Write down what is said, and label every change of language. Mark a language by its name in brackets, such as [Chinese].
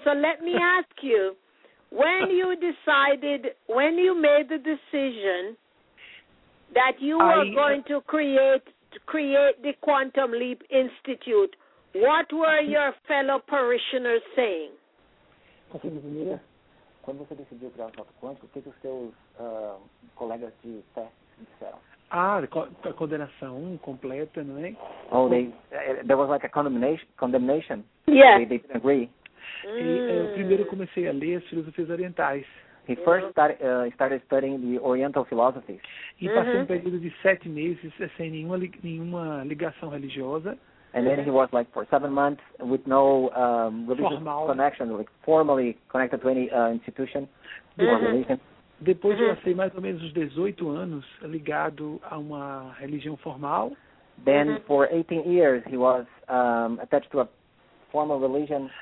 [English] So let me ask you, when you made the decision that you were going to create the Quantum Leap Institute, what were your fellow parishioners saying? [Portuguese] Quando você decidiu criar o salto quântico, o que os seus colegas de fé disseram? Ah, a condenação completa, não é? [English] Oh, there was like a condemnation. Yeah. They didn't agree. [Portuguese] Eu primeiro comecei a ler as filosofias orientais. [English] He first started studying the Oriental philosophies. [Portuguese] E passou um período de 7 meses sem nenhuma ligação religiosa. [English] And then he was like for 7 months with no religious connection, like formally connected to any institution or religion. [Portuguese] Depois eu passei mais ou menos uns 18 anos ligado a uma religião formal. [English] Then for 18 years he was attached to a formal religion.